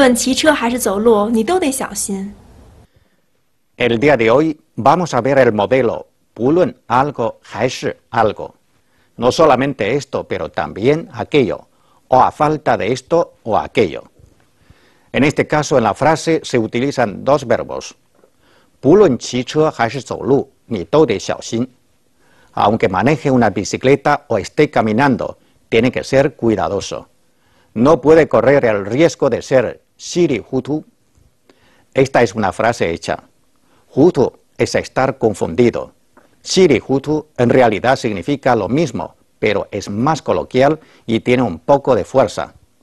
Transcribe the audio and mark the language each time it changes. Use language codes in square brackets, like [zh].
[zh] 哎，现在啊，马路上的二把刀太多了。也不全怪他，我光顾着看刚买的新书了，根本没注意到有车。现在路上的汽车太多了，不论骑车还是走路，你都得小心。 [es] El día de hoy vamos a ver el modelo 不论 algo 还是 algo. No solamente esto, pero también aquello, o a falta de esto o aquello. En este caso, en la frase se utilizan dos verbos. [zh] 不论骑车还是走路，你都得小心. [es] Aunque maneje una bicicleta o esté caminando, tiene que ser cuidadoso. No puede correr el riesgo de ser 稀里糊涂. Esta es una frase hecha. 糊涂 es estar confundido. 稀里糊涂 en realidad significa lo mismo, pero es más coloquial y tiene un poco de fuerza.